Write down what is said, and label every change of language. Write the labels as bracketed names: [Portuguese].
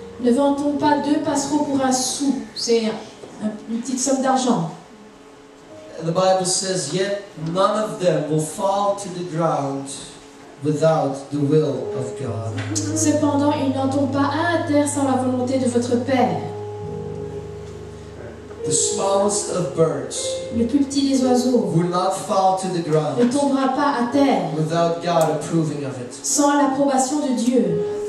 [French] Ne vend-on pas 2 passereaux pour un sou? C'est une petite somme d'argent. [English] The Bible says, yet none of them will fall to the ground without the will of God. [French] Cependant, ils n'en tombent pas un à terre sans la volonté de votre Père. [English] The smallest of birds [French] le plus petit des oiseaux [English] will not fall to the ground [French] ne tombera pas à terre [English] without God approving of it. [French] Sans l'approbation de Dieu.